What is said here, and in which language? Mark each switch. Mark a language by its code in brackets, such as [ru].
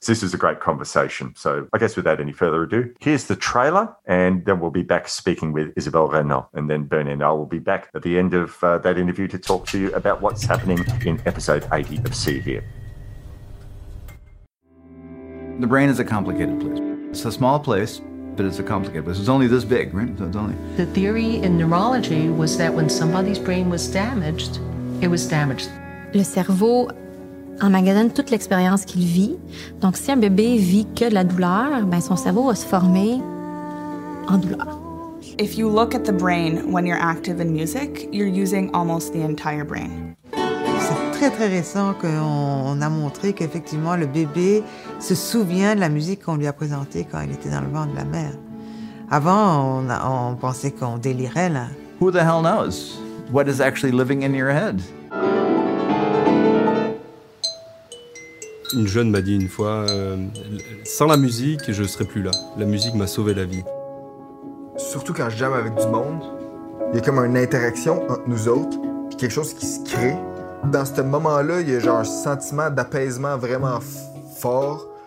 [en] This is a great conversation. So I guess without any further ado, here's the trailer, and then we'll be back speaking with Isabelle Renault, and then Bernie and I will be back at the end of that interview to talk to you about what's happening in episode 80 of See Here. The brain is a complicated place. It's a small place, but it's a complicated place. It's only this big, right? The theory in neurology was that when somebody's brain was damaged, it was damaged. [fr] Le cerveau emmagasine toute l'expérience qu'il vit. Donc, si un bébé vit que de la douleur, ben son cerveau va se former en douleur. [en] If you look at the brain when you're active in music, you're using almost the entire brain. [fr] C'est très, très récent qu'on a montré qu'effectivement, le bébé se souvient de la musique qu'on lui a présentée quand il était dans le ventre de la mère. Avant, on pensait qu'on délirait, là. [en] Who the hell knows what is actually living in your head? [fr] Une jeune m'a dit une fois, sans la musique, je ne serais plus là. La musique m'a sauvé la vie. Surtout quand je jamme avec du monde, il y a comme une interaction entre nous autres, puis quelque chose qui se crée. Dans ce moment-là, il y a genre un sentiment d'apaisement vraiment fort.